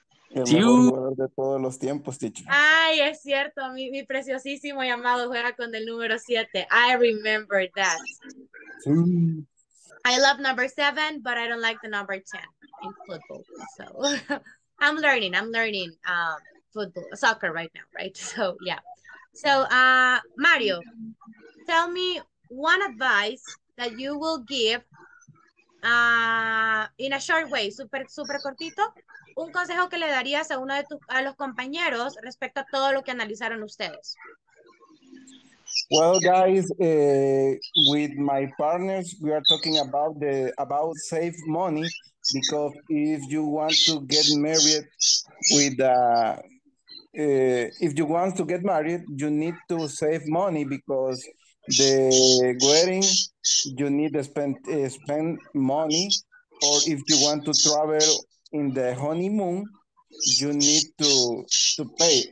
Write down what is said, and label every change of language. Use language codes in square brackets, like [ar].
[es] El mejor jugador de todos los tiempos, teacher. Ay, es cierto. Mi preciosísimo y amado juega con el número 7. [en] I remember that. Ooh. I love number 7, but I don't like the number 10 in football. So. I'm learning football, soccer right now, right? So, yeah. So, Mario, tell me one advice that you will give in a short way, [es] super, super cortito. Un consejo que le darías a uno de tus, a los compañeros respecto a todo lo que analizaron ustedes. [en] Well, guys, with my partners, we are talking about the about save money, because if you want to get married with if you want to get married, you need to save money, because the wedding, you need to spend money, or if you want to travel in the honeymoon, you need to pay.